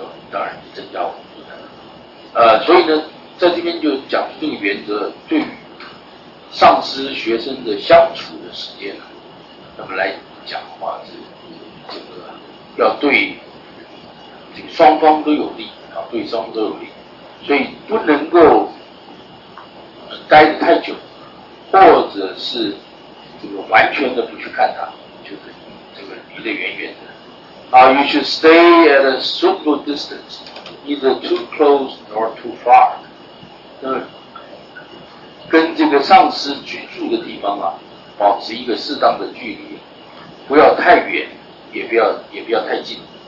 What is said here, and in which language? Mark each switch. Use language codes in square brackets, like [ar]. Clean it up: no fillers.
[zh] 当然是增加我们负担，所以呢，在这边就讲这个原则，对于上师学生的相处的时间，那么来讲的话是这个要对这个双方都有利啊，对双方都有利，所以不能够待得太久，或者是这个完全的不去看他，就是这个离得远远的。 [en] You should stay at a suitable distance, neither too close nor too far. [zh] 跟这个上师居住的地方啊，保持一个适当的距离，不要太远，也不要太近。